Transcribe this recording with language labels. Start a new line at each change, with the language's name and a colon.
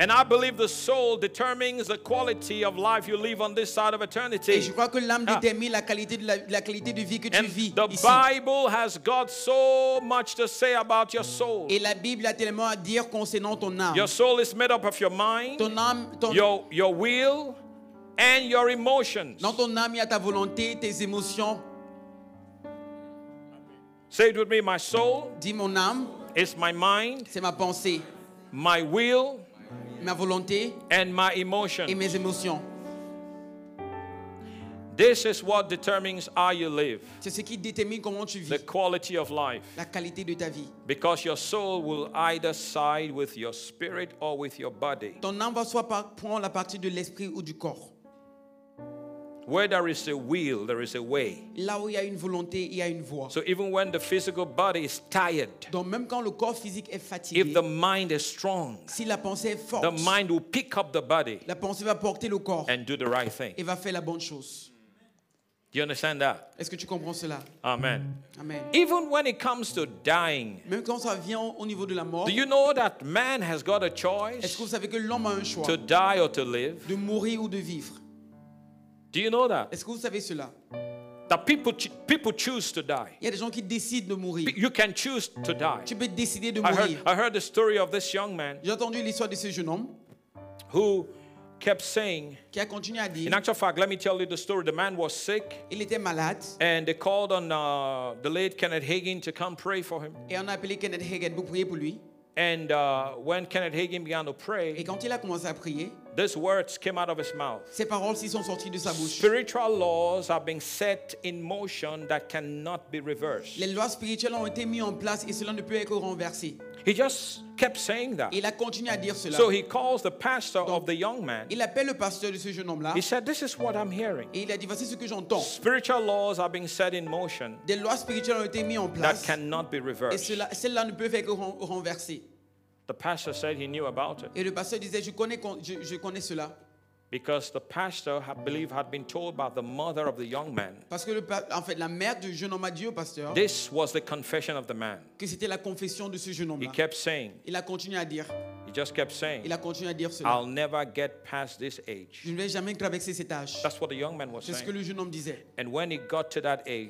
English: And I believe the soul determines the quality of life you live on this side of eternity.
French: Et je crois que l'âme détermine la qualité de vie que
English: and
French: tu vis
English: the
French: ici.
English: Bible has got so much to say about your soul.
French: Et la Bible a tellement à dire concernant ton âme.
English: Your soul is made up of your mind.
French: Ton âme, ton
English: your will and your emotions.
French: Dans ton âme, il y a ta volonté, tes émotions.
English: Say it with me, my soul.
French: Dis mon âme.
English: It's my mind.
French: C'est ma pensée.
English: My will.
French: Ma volonté.
English: And my emotions.
French: Et mes émotions.
English: This is what determines how you live.
French: C'est ce qui détermine comment tu vis.
English: The quality of life.
French: La qualité de ta vie.
English: Because your soul will either side with your spirit or with your body.
French: Ton âme va soit prendre la partie de l'esprit ou du corps.
English: Where there is a will, there is a way.
French: Là où il y a une volonté, il y a une voie.
English: So even when the physical body is tired,
French: donc même quand le corps physique est fatigué,
English: if the mind is strong,
French: si la pensée est forte,
English: the mind will pick up the body,
French: la pensée va porter le corps,
English: and do the right thing,
French: et va faire la bonne chose.
English: Do you understand that?
French: Est-ce que tu comprends cela?
English: Amen.
French: Amen.
English: Even when it comes to dying,
French: même quand ça vient au niveau de la mort,
English: do you know that man has got a choice?
French: Est-ce que vous savez que l'homme a un choix?
English: To die or to live?
French: De mourir ou de vivre?
English: Do you know that?
French: Est-ce que vous savez cela?
English: That people choose to die.
French: Il y a des gens qui décident de mourir.
English: You can choose to die.
French: Tu peux décider de mourir.
English: I heard the story of this young man.
French: J'ai entendu l'histoire de ce jeune homme.
English: Who kept saying,
French: qui a continué à dire,
English: in actual fact, let me tell you the story. The man was sick.
French: Il était malade.
English: And they called on the late Kenneth Hagin to come pray for him.
French: Et on a appelé Kenneth Hagin pour prier pour lui.
English: And when Kenneth Hagin began to pray,
French: et quand il a commencé à prier,
English: these words came out of his mouth.
French: Ces paroles s'y sont sorties de sa bouche.
English: Spiritual laws are being set in motion that cannot be reversed.
French: Les lois spirituelles ont été mises en place et cela ne peut être renversé.
English: He just kept saying that.
French: Il a continué à dire cela.
English: So he calls the pastor of the young man.
French: Il appelle le pasteur de ce jeune homme-là.
English: He said, "This is what I'm hearing."
French: Et il a dit, voici ce que j'entends.
English: Spiritual laws are being set in motion.
French: Des lois spirituelles ont été mises en place.
English: That cannot be reversed.
French: Et cela ne peut être renversé.
English: The pastor said he knew about it.
French: Et le pasteur disait, je connais cela.
English: Because the pastor, I believe, had been told by the mother of the young man.
French: Parce que la mère du jeune homme a dit au pasteur.
English: This was the confession of the man.
French: Que c'était la confession de ce jeune homme.
English: He kept saying.
French: Il a continué à dire.
English: He just kept saying.
French: Il a continué à dire cela.
English: I'll never get past this age.
French: Je ne vais jamais traverser cet âge.
English: That's what the young man was saying.
French: C'est ce que le jeune homme disait.
English: And when he got to that age.